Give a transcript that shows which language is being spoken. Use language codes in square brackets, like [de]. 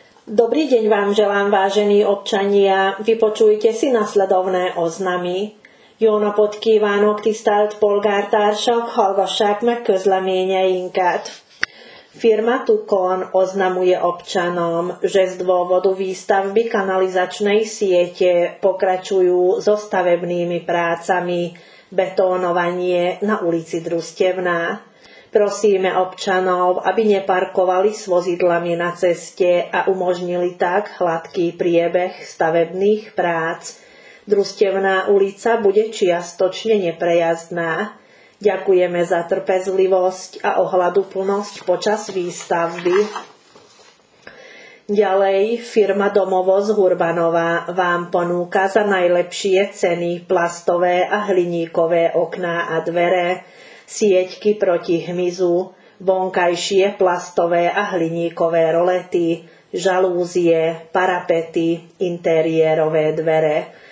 [sk] Dobrý deň vám želám, vážení občania. Vypočujte si nasledovné oznamy. [hu] Jó napot kívánok, tisztelt polgártársak, hallgassák meg közleményeinket. [sk] Firma Tukon oznamuje občanom, že z dôvodu výstavby kanalizačnej siete pokračujú so stavebnými prácami betónovanie na ulici Drustevná. Prosíme občanov, aby neparkovali s vozidlami na ceste a umožnili tak hladký priebeh stavebných prác. Drustevná ulica bude čiastočne neprejazdná. Ďakujeme za trpezlivosť a ohľaduplnosť počas výstavby. Ďalej firma Domovoz Hurbanová vám ponúka za najlepšie ceny plastové a hliníkové okná a dvere, sieťky proti hmyzu, vonkajšie plastové a hliníkové rolety, žalúzie, parapety, interiérové dvere.